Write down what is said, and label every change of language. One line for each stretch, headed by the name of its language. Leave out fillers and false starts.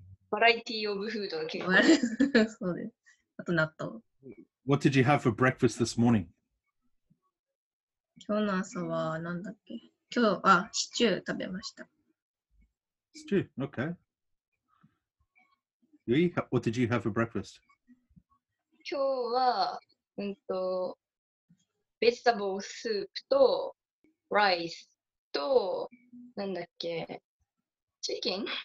Japanese: バラエティーオブフードが結構。そうです。あと納豆。
English: What did you have for breakfast this morning?
Japanese: 今日の朝はなんだっけ。今日はシチュー食べました。
English: シチュー、OK. What did you have for breakfast?
Japanese: 今日は、ベジタブルスープと、ライスと、なんだっけ、チキン？